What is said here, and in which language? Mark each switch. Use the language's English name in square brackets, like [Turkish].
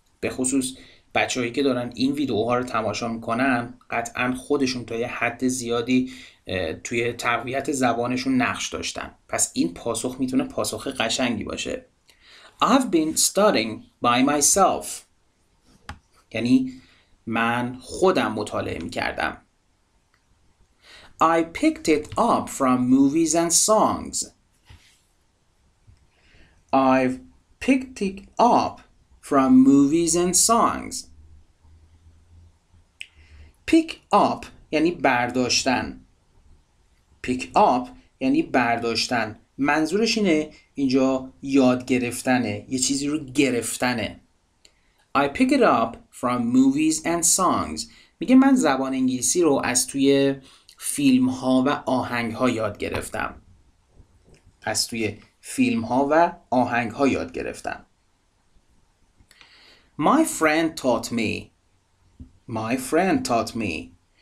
[Persian] به خصوص بچه هایی که دارن این ویدیوها رو تماشا میکنن قطعا خودشون تا یه حد زیادی توی تقویت زبانشون نقش داشتن. پس این پاسخ میتونه پاسخ قشنگی باشه. [English] I've been studying by myself. [Persian] یعنی من خودم مطالعه میکردم. [English] I picked it up from movies and songs. I've picked it up from movies and songs. [Persian] Pick up یعنی برداشتن. Pick up یعنی برداشتن. منظورش اینه اینجا یاد گرفتنه. یه چیزی رو گرفتنه. [English] I pick it up from movies and songs. [Persian] میگه من زبان انگلیسی رو از توی فیلم ها و آهنگ ها یاد گرفتم. از توی فیلم ها و آهنگ ها یاد گرفتم. [English] My friend taught me. My friend taught me.